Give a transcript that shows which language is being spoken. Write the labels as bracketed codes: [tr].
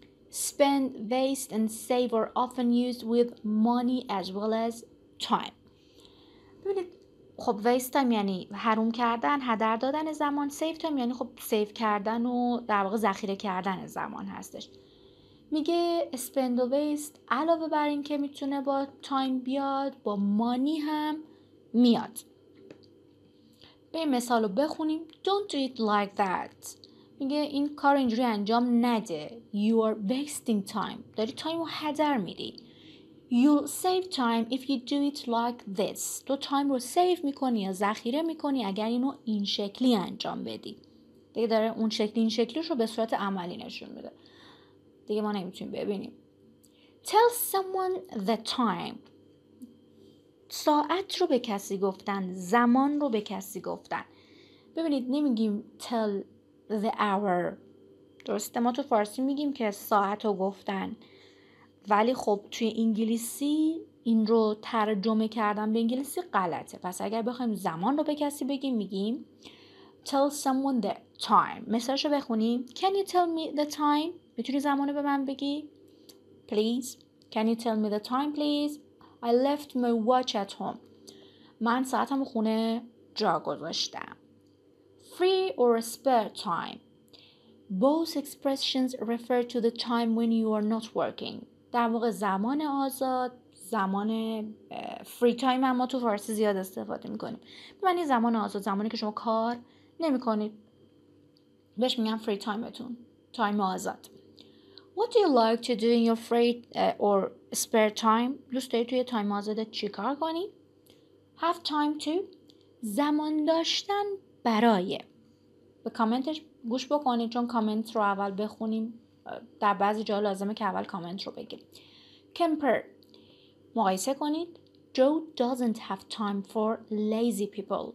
[en] Spend, waste and save are often used with money as well as time. [fa] ببینید خب waste time یعنی حروم کردن، هدر دادن زمان. Save time یعنی خب سیو کردن و در واقع ذخیره کردن زمان هستش. میگه spend و waste علاوه بر این که میتونه با تایم بیاد، با مانی هم میاد. به این مثالو بخونیم. [en] Don't do it like that. [fa] میگه این کار اینجوری انجام نده. [en] You are wasting time. [fa] داری تایم رو هدر میدی. [en] You'll save time if you do it like this. [fa] تو تایم رو سیو میکنی یا ذخیره میکنی اگر اینو این شکلی انجام بدی. دیگه داره اون شکلی این شکلیش رو به صورت عملی نشون میده. دیگه ما نمیتونیم ببینیم. [en] Tell someone the time. [fa] ساعت رو به کسی گفتن، زمان رو به کسی گفتن. ببینید نمیگیم tell the hour. درسته ما تو فارسی میگیم که ساعت رو گفتن، ولی خب توی انگلیسی این رو ترجمه کردن به انگلیسی غلطه. پس اگر بخوایم زمان رو به کسی بگیم میگیم tell someone the time. مثالش رو بخونیم. [en] Can you tell me the time? [fa] میتونی زمانو به من بگی؟ [en] Please, can you tell me the time, please? I left my watch at home. [fa] من ساعتم خونه جا گذاشتم. [en] Free or spare time. Both expressions refer to the time when you are not working. [fa] در واقع زمان آزاد، زمان free time هم ما تو فارسی زیاد استفاده میکنیم. به معنی زمان آزاد، زمانی که شما کار نمی کنید. بهش میگم free timeتون، تایم آزاد. [en] What do you like to do in your free or spare time? [fa] دوست داری توی تایم آزادت چی کار کنی؟ [en] Have time to. [fa] زمان داشتن برای. به کامنتش گوش بکنید چون کامنت رو اول بخونیم. در بعضی جا لازمه که اول کامنت رو بگیم. [en] Compare. [fa] مقایسه کنید. [en] Joe doesn't have time for lazy people.